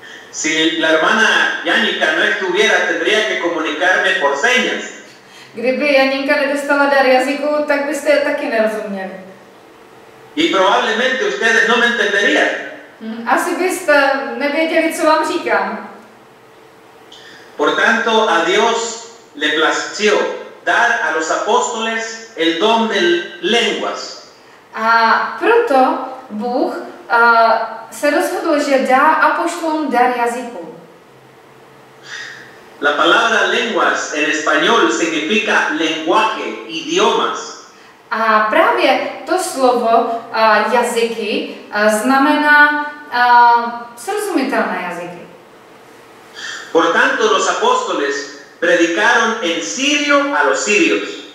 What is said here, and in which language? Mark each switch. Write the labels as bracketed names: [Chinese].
[Spanish] Si la hermana Janika no estuviera, tendría que comunicarme por señas. [Czech] Kdyby Janinka nedostala dar jazyku, tak byste je taky nerozuměli. [Spanish] Y probablemente ustedes no me entenderían. [Czech] Asi byste nevěděli, co vám říkám. [Spanish] Por tanto, a Dios le plació dar a los apóstoles el don de lenguas. [Czech] A proto Bůh se rozhodl, že dá apoštolům dar jazyku. [Spanish] La palabra lenguas en español significa lenguaje, idiomas. [Czech] A právě to slovo jazyky znamená srozumitelné jazyky. [Spanish] Por tanto, los apóstoles predicaron en sirio a los sirios.